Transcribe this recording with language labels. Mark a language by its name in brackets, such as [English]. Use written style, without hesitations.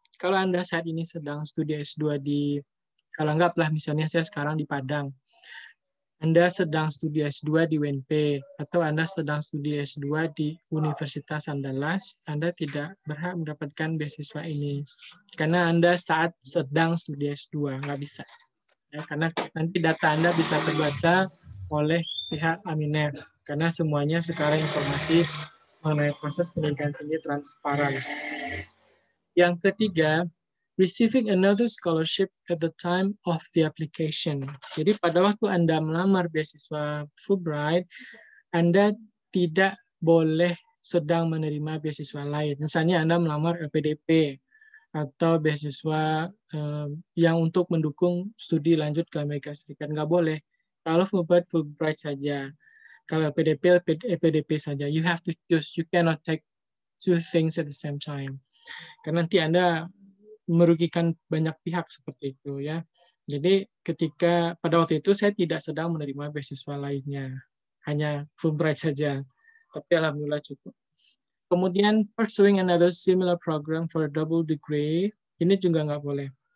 [Indonesian] Kalau Anda saat ini sedang studi S2 di, kalau anggaplah misalnya saya sekarang di Padang, Anda sedang studi S2 di UNP, atau Anda sedang studi S2 di Universitas Andalas, Anda tidak berhak mendapatkan beasiswa ini. Karena Anda saat sedang studi S2, nggak bisa. Ya, karena nanti data Anda bisa terbaca oleh pihak AMINEF. Karena semuanya sekarang informasi mengenai proses pendidikan ini transparan. Yang ketiga, [English] receiving another scholarship at the time of the application. [Indonesian] Jadi pada waktu Anda melamar beasiswa Fulbright, Anda tidak boleh sedang menerima beasiswa lain. Misalnya Anda melamar LPDP atau beasiswa yang untuk mendukung studi lanjut ke Amerika Serikat. Nggak boleh. Kalau Fulbright saja. Kalau LPDP, LPDP saja. [English] You have to choose. You cannot take two things at the same time. [Indonesian] Karena nanti Anda merugikan banyak pihak seperti itu ya. Jadi ketika pada waktu itu saya tidak sedang menerima beasiswa lainnya, hanya Fulbright saja. Tapi alhamdulillah cukup. Kemudian [English] pursuing another similar program for a double degree, [Indonesian] ini juga nggak boleh.